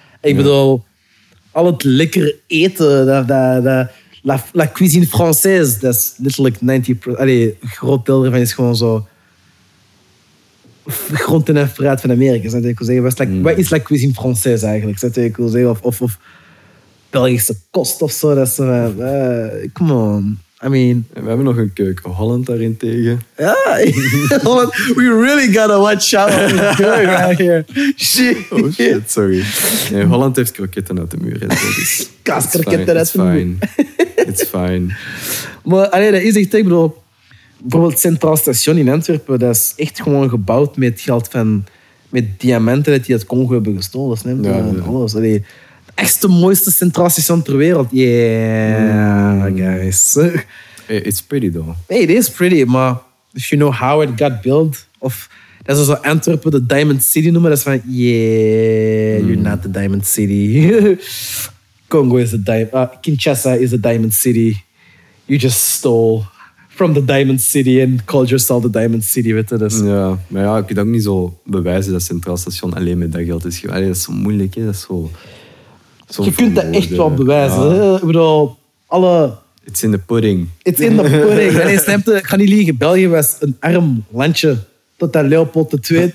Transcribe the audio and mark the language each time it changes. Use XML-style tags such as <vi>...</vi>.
<nl>Ik bedoel, al het lekker eten,</nl> <fr>la cuisine française,</fr> <nl>dat is letterlijk 90%, allez, een groot deel ervan is gewoon zo. Groenten en fruit van Amerika. Wat is</nl> <fr>la cuisine française</fr> <nl>eigenlijk? Of Belgische kost of zo. Dat ze,</nl> <en>come on. I mean.</en> <nl>En we hebben nog een keuken. Holland daarin tegen. Ja.</nl> <en>We really gotta watch out on the keuken right here. Shit. Oh shit, sorry.</en> <nl>Nee, Holland heeft kroketten uit de muur. Kastkroketten uit de muur.</nl> <en>It's fine.</en> <nl>Maar alleen dat is echt, ik bedoel... Bijvoorbeeld het Centraal Station in Antwerpen, dat is echt gewoon gebouwd met geld van... met diamanten die uit Congo hebben gestolen. Dus neem alles. Allee, het echt de mooiste Centraal Station ter wereld.</nl> <en>Yeah, guys. It's pretty, though. Hey, it is pretty, maar... If you know how it got built...</en> <nl>Of, dat ze zo Antwerpen de Diamond City noemen, dat is van...</nl> <en>You're not the Diamond City. Congo is the Diamond... Kinshasa is the Diamond City. You just stole... from the Diamond City and called yourself the Diamond City,</en> <nl>weet je dus. Ja, maar ja, ik kan ook niet zo bewijzen dat Centraal Station alleen met dat geld is. Allee, dat is zo moeilijk, hè. Dat is zo, zo je kunt dat echt wel bewijzen. Ja. Ik bedoel, alle...</nl> <en>It's in the pudding. It's in the pudding.</en> <nl>Allee, snap je, ik ga niet liegen. België was een arm landje tot aan Leopold II.</nl>